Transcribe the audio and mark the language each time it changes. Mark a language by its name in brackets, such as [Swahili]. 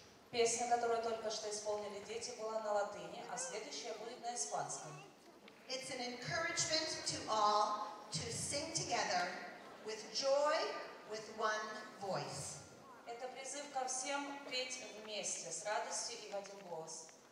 [Russian] Песня, которую только что исполнили дети, была на латыни, а следующая будет на испанском. [English] It's an encouragement to all to sing together with joy, with one voice. [Russian] Это призыв ко всем петь вместе, с радостью и в один голос.